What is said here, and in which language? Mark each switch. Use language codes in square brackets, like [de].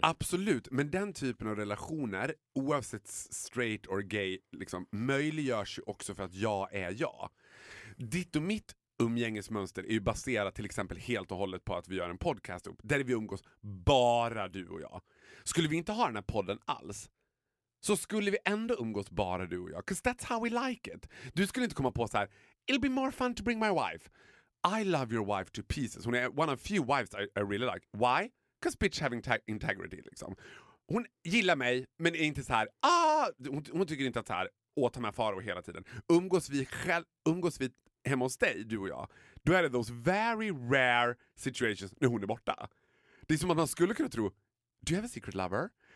[sv] Absolut, men den typen av relationer, oavsett [en] straight or gay, [sv] liksom, möjliggörs ju också för att jag är jag. Ditt och mitt umgängesmönster är ju baserat till exempel helt och hållet på att vi gör en podcast upp, där vi umgås bara du och jag. Skulle vi inte ha den här podden alls, så skulle vi ändå umgås bara du och jag. [en] Because that's how we like it. [sv] Du skulle inte komma på så här, [en] it'll be more fun to bring my wife. I love your wife to pieces. [sv] Hon är [en] one of few wives I really like. Why? Because bitch having integrity, [sv] liksom. Hon gillar mig, men är inte så här, hon tycker inte att så här, åta med faro hela tiden. Umgås vi hemma hos dig, du och jag, då är det [en] those very rare situations [sv] när hon är borta. Det är som att man skulle kunna tro, [en] do you have a secret lover?